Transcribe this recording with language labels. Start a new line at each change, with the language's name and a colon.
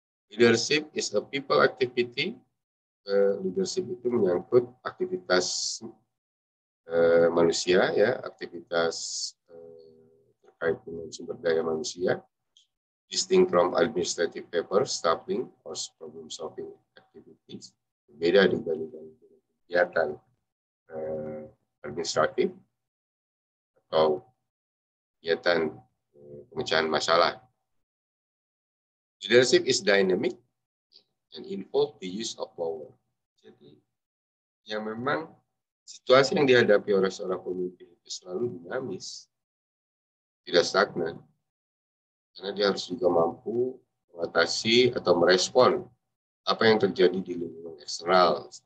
English: Leadership is a people activity.
Indonesian: Leadership itu menyangkut aktivitas manusia, ya, aktivitas terkait dengan sumber daya manusia,
English: distinct from administrative papers, staffing, or problem solving activities,
Indonesian: berbeda dibandingkan kegiatan administratif atau kegiatan pemecahan masalah.
English: Leadership is dynamic and involve the use of power.
Indonesian: Jadi, yang memang situasi yang dihadapi oleh seorang pemimpin itu selalu dinamis, tidak stagnan, karena dia harus juga mampu mengatasi atau merespon apa yang terjadi di lingkungan eksternal.